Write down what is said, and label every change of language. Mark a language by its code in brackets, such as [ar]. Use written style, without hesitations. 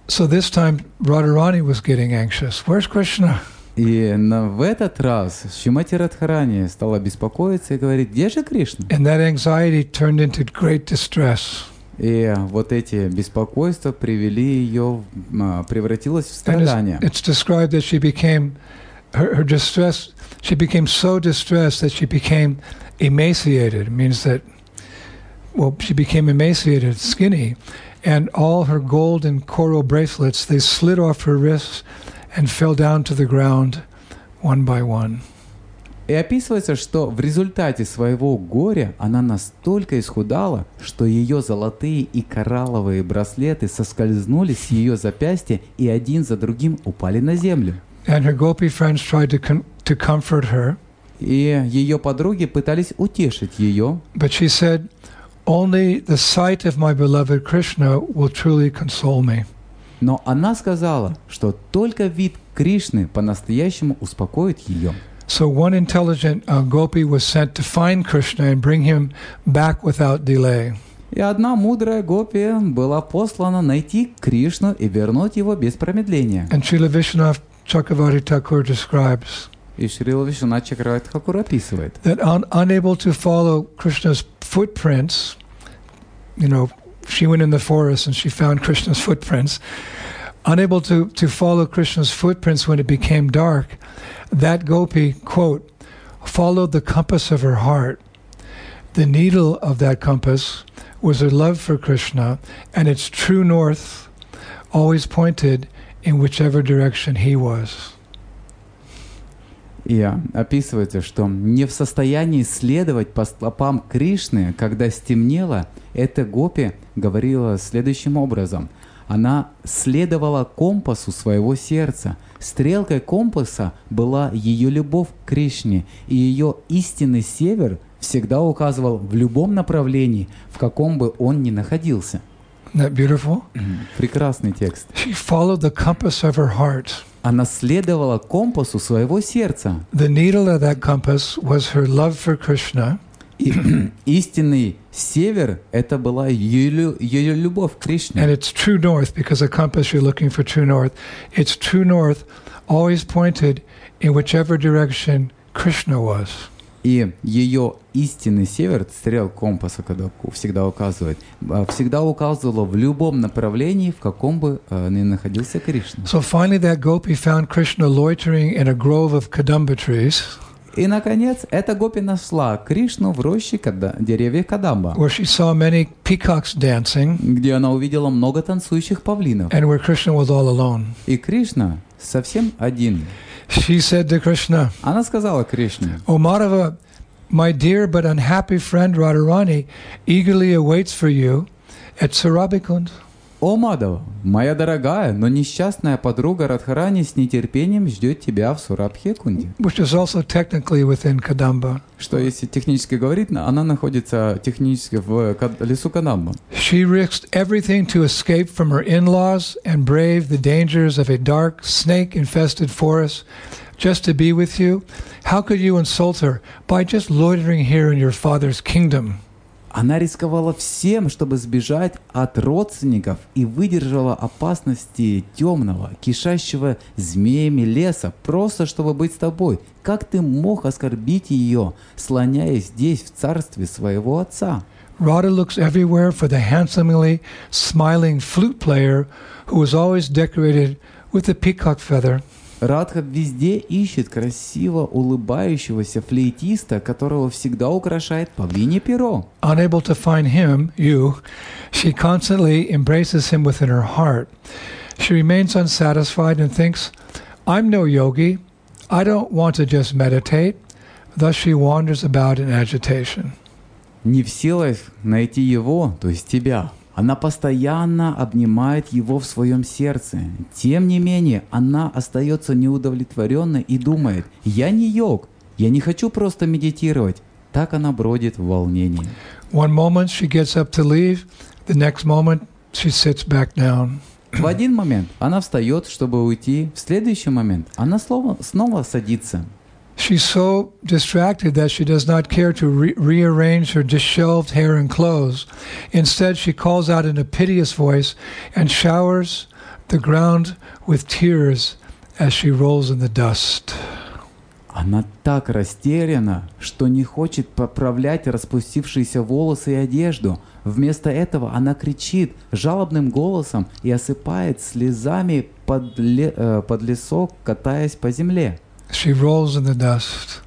[en] So this time Radharani was getting anxious. Where's Krishna? [ru] И в этот раз Шримати Радхарани стала беспокоиться и говорит, где же Кришна? [en] And that anxiety turned into great distress. [ru] И вот эти беспокойства привели ее, превратилось в страдание. [en] It's described that she became, her distress, she became so distressed that she became emaciated. It means that, well, she became emaciated, skinny. And all her gold and coral bracelets, they slid off her wrists and fell down to the ground one by one. [ru] И описывается, что в результате своего горя она настолько исхудала, что ее золотые и коралловые браслеты соскользнули с ее запястья и один за другим упали на землю. [en] And her gopi friends tried to comfort her. [ru] И ее подруги пытались утешить ее. [en] But she said, only the sight of my beloved Krishna will truly console me. [ru] Но она сказала, что только вид Кришны по-настоящему успокоит ее. [en] So one intelligent gopi was sent to find Krishna and bring him back without delay. [ru] И одна мудрая гопи была послана найти Кришну и вернуть его без промедления. [en] And Srila Vishwanath Chakravarti Thakur describes. [ru] И Шрила Вишванат Чакравати Тхакур описывает. [en] That unable to follow Krishna's footprints, you know, she went in the forest and she found Krishna's footprints, unable to follow Krishna's footprints when it became dark, that gopi, quote, followed the compass of her heart. The needle of that compass was her love for Krishna, and its true north always pointed in whichever direction he was. [ru] Я описывается, что не в состоянии следовать по стопам Кришны, когда стемнело, эта гопи говорила следующим образом. Она следовала компасу своего сердца. Стрелкой компаса была ее любовь к Кришне, и ее истинный север всегда указывал в любом направлении, в каком бы он ни находился. [en] That beautiful? [ru] Прекрасный текст. [en] She followed the compass of her heart. [ru] Она следовала компасу своего сердца. [en] The needle of that compass was her love for Krishna. [ru] И истинный север – это была ее любовь к Кришне. [en] And it's true north, because a compass you're looking for true north. It's true north, always pointed in whichever direction Krishna was. [ru] И ее истинный север, стрелка компаса, когда всегда указывает, всегда указывала в любом направлении, в каком бы ни находился Кришна. [en] So finally that gopi found Krishna loitering in a grove of kadamba trees. [ru] И наконец эта гопи нашла Кришну в роще деревьев кадамба. [en] Where she saw many peacocks dancing. [ru] Где она увидела много танцующих павлинов. [en] And where Krishna was all alone. [ru] И Кришна совсем один. [en] She said to Krishna, [ru] Она сказала Кришне, [en] O Madhava, my dear but unhappy friend Radharani eagerly awaits for you at Sarabikund. [ru] О, Мадхава, моя дорогая, но несчастная подруга Радхарани с нетерпением ждет тебя в Сурабхикунде. [en] Which is also technically within Kadamba. [ru] Что если технически говорить, она находится технически в лесу Кадамба. [en] She risked everything to escape from her in-laws and brave the dangers of a dark snake-infested forest just to be with you. How could you insult her by just loitering here in your father's kingdom? [ru] Она рисковала всем, чтобы сбежать от родственников и выдержала опасности темного, кишащего змеями леса, просто чтобы быть с тобой. Как ты мог оскорбить ее, слоняясь здесь, в царстве своего отца? [en] Radha looks everywhere for the handsomely smiling flute player, who is always decorated with a peacock feather. [ru] Радха везде ищет красиво улыбающегося флейтиста, которого всегда украшает павлинье перо. [en] Unable to find him, you, she constantly embraces him within her heart. She remains unsatisfied and thinks, I'm no yogi, I don't want to just meditate. Thus she wanders about in agitation. [ru] Не в силах найти его, то есть тебя. Она постоянно обнимает его в своем сердце. Тем не менее, она остается неудовлетворенной и думает, «Я не йог, я не хочу просто медитировать». Так она бродит в волнении. [en] One moment she gets up to leave, the next moment she sits back down. [ru] В один момент она встает, чтобы уйти, в следующий момент она снова садится. [en] She's so distracted that she does not care to rearrange her disheveled hair and clothes. Instead, she calls out in a piteous voice and showers the ground with tears as she rolls in the dust. [ru] Она так растеряна, что не хочет поправлять распустившиеся волосы и одежду. Вместо этого она кричит жалобным голосом и осыпает слезами под лесок, катаясь по земле. [en] She rolls in the dust.